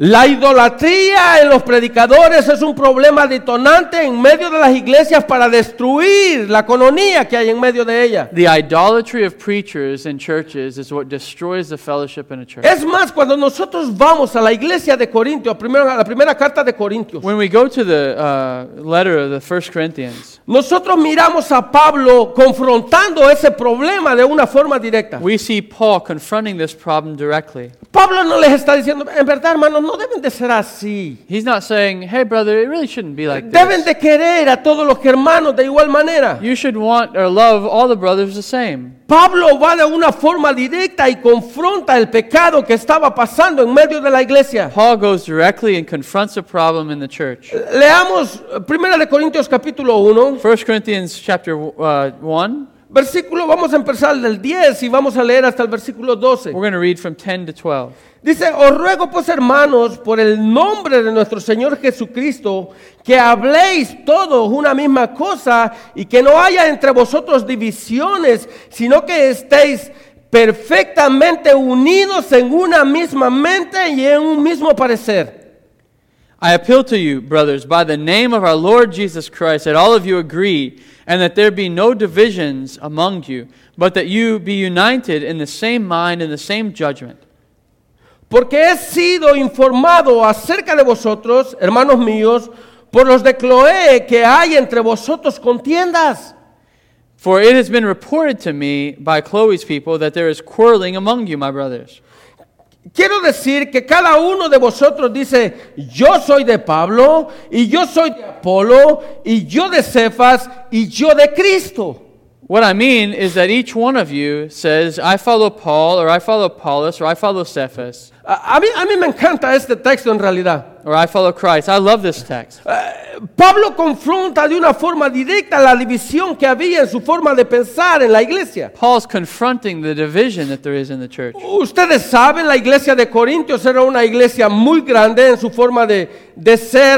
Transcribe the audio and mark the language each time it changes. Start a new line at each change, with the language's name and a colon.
Spanish: La idolatría en los predicadores es un problema detonante en medio de las iglesias para destruir la cononía que hay en medio de ella.
English: The idolatry of preachers in churches is what destroys the fellowship in a church.
Spanish: Es más, cuando nosotros vamos a la iglesia de Corintios, a la primera carta de Corintios,
English: when we go to the letter of the First Corinthians,
Spanish: nosotros miramos a Pablo confrontando ese problema de una forma directa.
English: We see Paul confronting this problem directly.
Spanish: Pablo no les está diciendo, en verdad, hermanos, no deben de ser así.
English: He's not saying, hey, brother, it really shouldn't be like this.
Spanish: Deben de querer a todos los hermanos de igual manera.
English: You should want or love all the brothers the same.
Spanish: Pablo va de una forma directa y confronta el pecado que estaba pasando en medio de la iglesia.
English: Paul goes directly and confronts a problem in the church.
Spanish: Leamos 1 Corintios capítulo 1.
English: 1 Corinthians chapter 1.
Spanish: Versículo, vamos a empezar del 10 y vamos a leer hasta el versículo 12.
English: We're going to read from 10 to 12.
Spanish: Dice, os ruego pues hermanos, por el nombre de nuestro Señor Jesucristo, que habléis todos una misma cosa y que no haya entre vosotros divisiones, sino que estéis perfectamente unidos en una misma mente y en un mismo parecer.
English: I appeal to you, brothers, by the name of our Lord Jesus Christ, that all of you agree, and that there be no divisions among you, but that you be united in the same mind and the same judgment.
Spanish: Porque he sido informado acerca de vosotros, hermanos míos, por los de Cloé, que hay entre vosotros contiendas.
English: For it has been reported to me by Chloe's people that there is quarreling among you, my brothers.
Spanish: Quiero decir que cada uno de vosotros dice, yo soy de Pablo, y yo soy de Apolo, y yo de Cefas, y yo de Cristo.
English: What I mean is that each one of you says, I follow Paul, or I follow Paulus, or I follow Cephas.
Spanish: A mí me encanta este texto en realidad.
English: Or I follow Christ. I love this text.
Spanish: Pablo confronta de una forma directa la división que había en su forma de pensar en la iglesia.
English: Paul's confronting the division that there is in the church.
Spanish: Ustedes saben, la iglesia de Corintios era una iglesia muy grande en su forma de ser.